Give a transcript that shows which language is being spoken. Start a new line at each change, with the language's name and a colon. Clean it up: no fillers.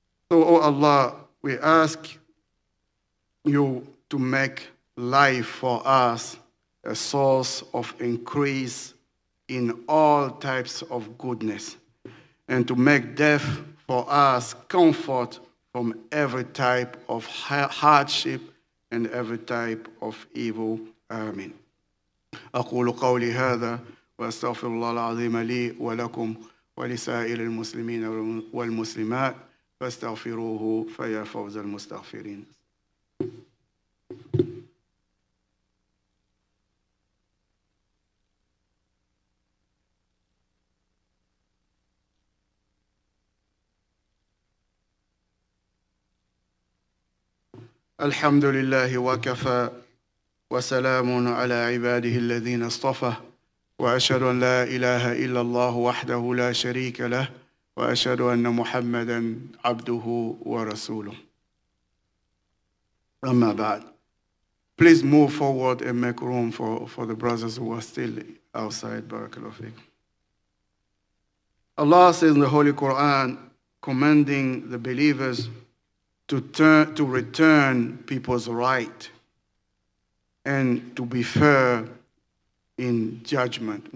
English: So, O Allah, we ask you to make life for us a source of increase in all types of goodness, and to make death for us comfort from every type of hardship and every type of evil. Amen.
Arabic: أقول قولي هذا وأستغفر الله العظيم لي ولكم ولسائر المسلمين والمسلمات فاستغفروه فيا فوز المستغفرين. الحمد لله وكفى وسلام على عباده الذين اصطفى وأشهد أن لا إله إلا الله وحده لا شريك له وأشهد أن محمدا عبده ورسوله أما بعد.
English: Please move forward and make room for the brothers who are still outside. Barakallahu fiik. Allah says in the Holy Quran, commanding the believers to return people's right and to be fair in judgment.